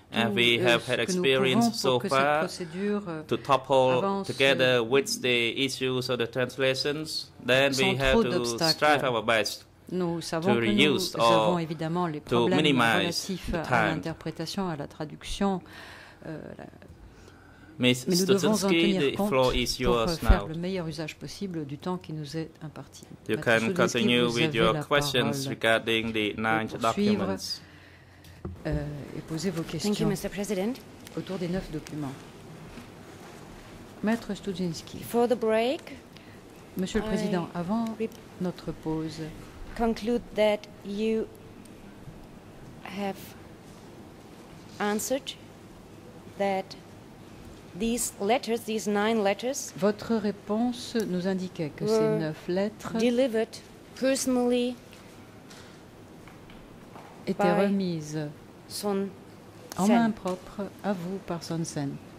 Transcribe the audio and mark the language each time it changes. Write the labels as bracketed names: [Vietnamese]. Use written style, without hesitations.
[English] and we have had experience so far to topple together with the issues of the translations. Then we have to strive our best. [French] Nous savons que nous avons évidemment les problèmes relatifs à l'interprétation, à la traduction. Mais nous devons en tenir compte pour faire le meilleur usage possible du temps qui nous est imparti. [English] You can continue with your questions regarding the nine documents. [French] Et poser vos questions. [English] Thank you, Mr. President. [French] Autour des neuf documents. Maître Studzinski. [English] For the break. [French] Monsieur le Président, avant notre pause. [English] Conclude that you have answered that these letters, these nine letters, [French] votre réponse nous indiquait que ces neuf lettres [English] delivered personally [French] étaient remises Son en main propre à vous par Son Sen.